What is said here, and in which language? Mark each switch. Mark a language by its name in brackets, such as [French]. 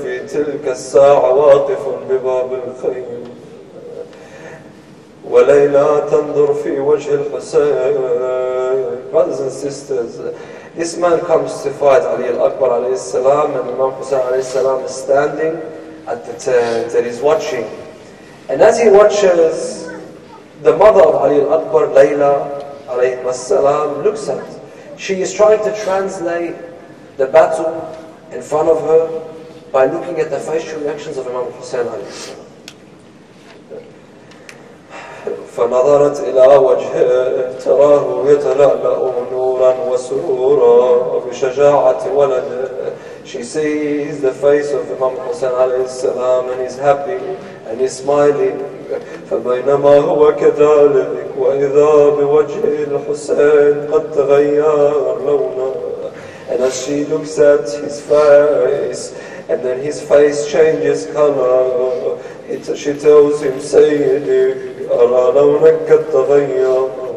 [Arabic] تلك الساعة واقف بباب الخيم وليلى تنظر في وجه الحسين. [English] Brothers and sisters, this man comes to fight Ali al-Akbar alayhi salam, and Imam Hussein alayhi salam is standing at the tent and he's watching. And as he watches, the mother of Ali al-Akbar, Layla alayhi salam, looks at. She is trying to translate the battle in front of her by looking at the facial reactions of Imam Hussein alayhi [Arabic] فنظرت إلى وجهه تراه يتلألأ نورا وسرورا بشجاعة ولده. [English] She sees the face of Imam Hussein alayhi salam and he's happy and he's smiling. [Arabic] فبينما هو كذلك وإذا بوجه الحسين قد تغير لونه. [English] And as she looks at his face, and then his face changes color. She tells him, Sayyidi, [Arabic] ara lawnak qad taghayyar.